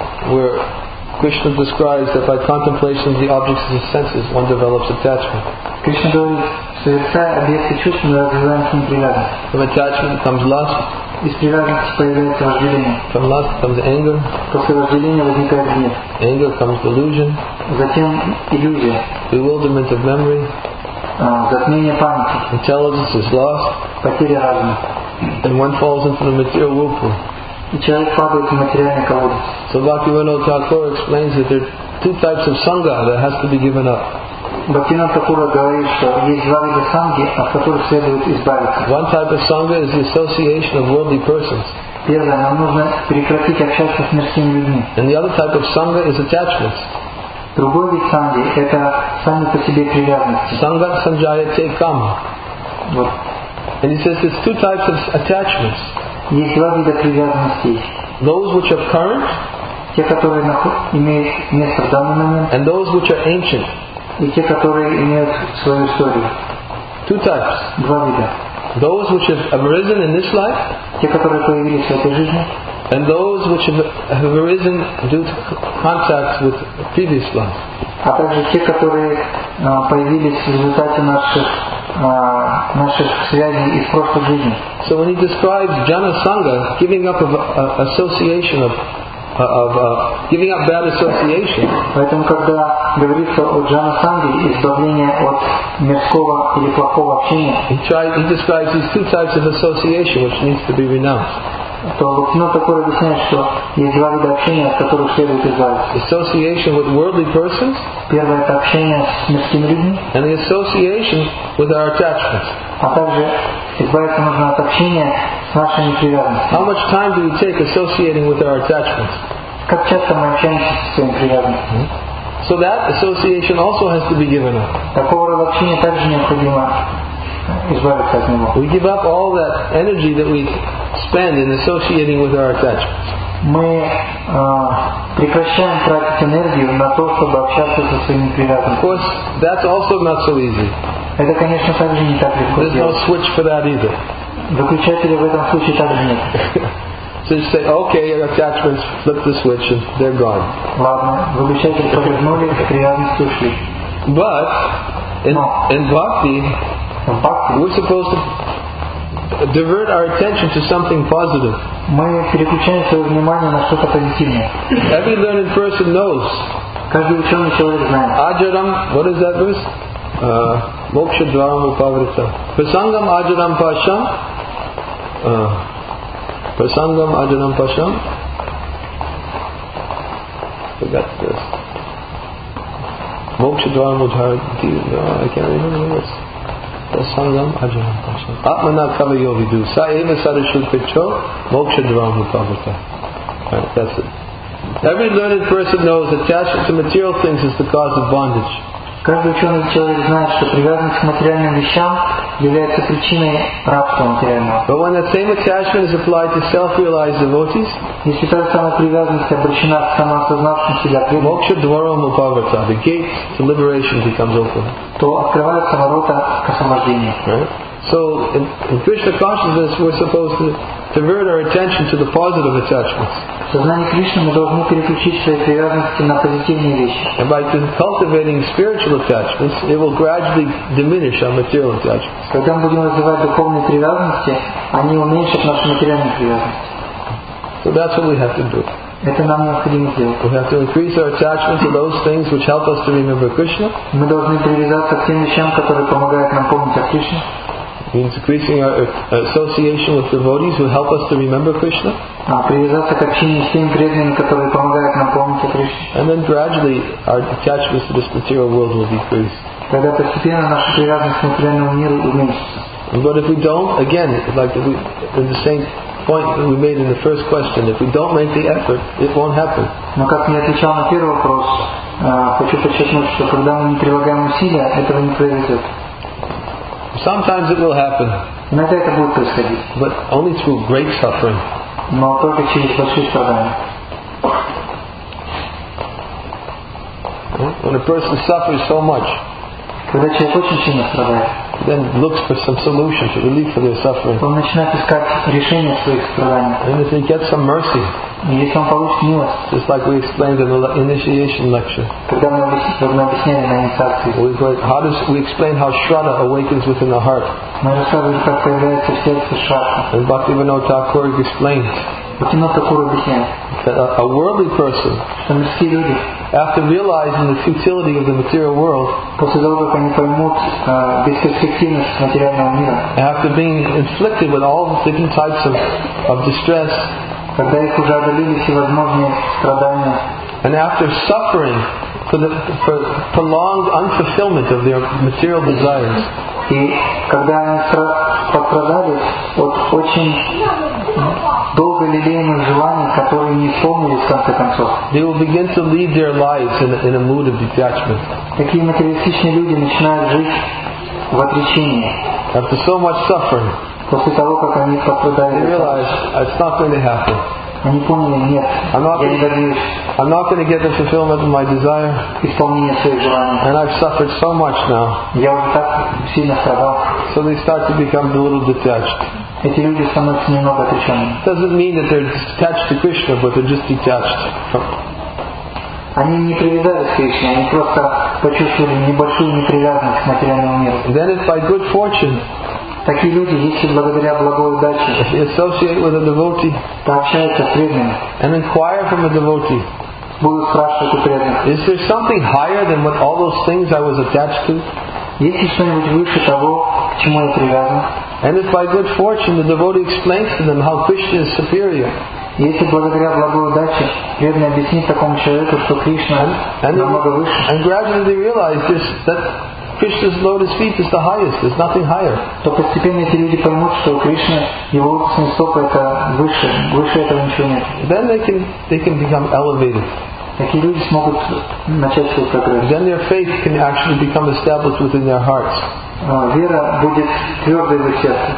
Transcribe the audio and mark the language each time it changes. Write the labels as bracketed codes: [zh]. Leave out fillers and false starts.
[en] Where Krishna describes that by contemplation of the objects of the senses, one develops attachment. [ru] Krishna говорит, что совершая объекты чувств, мы развиваем к ним привязанность. [en] From attachment comes lust. [ru] Из привязанности появляется вожделение. [en] From lust comes anger. [ru] После вожделения возникает гнев. [en] Anger comes delusion. [ru] Затем иллюзия. [en] Bewilderment of memory. [ru] Затмение памяти. [en] Intelligence is lost. [ru] Потеря разума. [en] And one falls into the material whirlpool. [ru] И человек падает в материальный колодец. [en] So Bhaktivinoda Thakur explains that there are two types of sangha that has to be given up. [ru] Бхактинанта Тура говорит, что есть два вида санги, от которых следует избавиться. [en] One type of sangha is the association of worldly persons. [ru] Первое, нам нужно прекратить общаться с мирскими людьми. [en] And the other type of sangha is attachment. [ru] Другой вид санги – это сами по себе привязанности. [sa] Sangha sanjaya te kama. [en] And he says there's two types of attachments. [ru] Есть два вида привязанностей. [en] Those which are current. [ru] Те, которые имеют место в данный момент. [en] And those which are ancient. [ru] И те, которые имеют свою историю. [en] Two types. [ru] Два вида. [en] Those which have arisen in this life. [ru] Те, которые появились в этой жизни. [en] And those which have arisen due to contact with previous life. [ru] А также те, которые появились в результате наших наших связей из прошлой жизни. [en] So when he describes jhana sangha, giving up of association of giving up bad association. [ru] Поэтому когда говорится о jhana sangha, избавление от мирского или плохого общения. [en] He describes these two types of association which needs to be renounced. [ru] То Бхактинанда Тхакур объясняет, что есть два вида общения, от которых следует избавиться. [en] Association with worldly persons. [ru] Первое – это общение с мирскими людьми. [en] And the association with our attachments. [ru] А также избавиться нужно от общения с нашими привязанностями. [en] How much time do we take associating with our attachments? [ru] Как часто мы общаемся со своими привязанностями? [en] So that association also has to be given up. [ru] Такого рода общения также необходимо. [en] We give up all that energy that we spend in associating with our attachments. [ru] Мы прекращаем тратить энергию на то, чтобы общаться со своими привязанностями. [en] Of course, that's also not so easy. [ru] Это, конечно, также не так легко. [en] There's no switch for that either. [ru] Выключателя в этом случае также нет. [en] So you say, okay, your attachments, flip the switch, and they're gone. [ru] Ладно, выключатель повернули, привязанности ушли. [en] But in bhakti. We're supposed to divert our attention to something positive. [ru] Мы переключаем своё внимание на что-то позитивное. [en] Every learned person knows. [ru] Каждый учёный человек знает. [en] Ajaram, what is that verse? [sa] Moksha dvaram upavritam. Prasangam ajaram pasham. Prasangam ajaram pasham. [en] Forgot the verse. [sa] Moksha dvaram upavritam. [en] I can't remember the verse. [sa] Sangam Ajaram Pasha. Atmana Kama Yogi Du. Saiva Sarashut Pitcho. Moksha Dharam Upavata. [en] That's it. Every learned person knows that attachment to material things is the cause of bondage. [ru] Каждый ученый человек знает, что привязанность к материальным вещам является причиной рабства материального. [en] But when that same attachment is applied to self-realized devotees, [ru] если та же самая привязанность обращена к самоосознавшим себя преданным, [sa] Moksha Dwaram Upavata, [en] the gate to liberation becomes open. [ru] То открываются ворота к освобождению. [en] Right? So in Krishna consciousness we're supposed to divert our attention to the positive attachments. [ru] В сознании Кришны мы должны переключить свои привязанности на позитивные вещи. [en] And by cultivating spiritual attachments, it will gradually diminish our material attachments. [ru] Когда мы будем развивать духовные привязанности, они уменьшат наши материальные привязанности. [en] So that's what we have to do. [ru] Это нам необходимо сделать. [en] We have to increase our attachment to those things which help us to remember Krishna. [ru] Мы должны привязаться к тем вещам, которые помогают нам помнить о Кришне. [en] Means increasing our association with devotees who help us to remember Krishna. [ru] Привязаться к общению с теми преданными, которые помогают нам помнить о Кришне. [en] And then gradually our attachments to this material world will decrease. [ru] Тогда постепенно наша привязанность к материальному миру уменьшится. [en] But if we don't, again, like in the same point that we made in the first question, if we don't make the effort, it won't happen. [ru] Но как я отвечал на первый вопрос, хочу подчеркнуть, что когда мы не прилагаем усилия, этого не произойдет. [en] Sometimes it will happen. [ru] Иногда это будет происходить. [en] But only through great suffering. [ru] Но только через большие страдания. [en] When a person suffers so much, [ru] когда человек очень сильно страдает, [en] then looks for some solution to relieve for their suffering. [ru] Он начинает искать решение своих страданий. [en] And if he gets some mercy, [ru] если он получит милость, [en] just like we explained in the initiation lecture, [ru] когда мы объясняли на инициации, [en] we explain how Shraddha awakens within the heart. [ru] Мы рассказывали, как появляется в сердце Shraddha. [en] And Bhaktivinoda Thakur explains. That a worldly person, after realizing the futility of the material world, after being inflicted with all the different types of distress, and after suffering for prolonged unfulfillment of their material desires. [ru] И когда они пострадали от очень долго лелеемых желаний, которые не исполнились в конце концов. [en] They will begin to lead their lives in a mood of detachment. [ru] Такие материалистичные люди начинают жить в отречении. [en] After so much suffering. [ru] После того, как они пострадали. [en] They realize it's not going to happen. [ru] Они поняли, нет, [en] I'm not going to get the fulfillment of my desire. [ru] Исполнение своих желаний. [en] And I've suffered so much now. [ru] Я уже так сильно страдал. [en] So they start to become a little detached. [ru] Эти люди становятся немного отреченными. [en] Doesn't mean that they're detached to Krishna, but they're just detached. [ru] Они не привязались к Кришне, они просто почувствовали небольшую неприязнь к материальному миру. [en] Then it's by good fortune. [ru] Такие люди, если благодаря благой удаче, [en] associate with a devotee, [ru] пообщаются с преданными, [en] and inquire from a devotee, [ru] будут спрашивать у преданных, [en] is there something higher than what all those things I was attached to? [ru] Есть ли что-нибудь выше того, к чему я привязан? [en] And if by good fortune the devotee explains to them how Krishna is superior. [ru] Если благодаря благой удаче преданный объяснит такому человеку, что Кришна намного выше, [en] and gradually they realize this, that Krishna's lotus feet is the highest. There's nothing higher. [ru] То постепенно эти люди поймут, что Кришна его лотосные стопы это выше, выше этого ничего нет. [en] Then they can become elevated. [ru] Такие люди смогут начать свой прогресс. [en] Then their faith can actually become established within their hearts. [ru] Вера будет твердой в их сердце.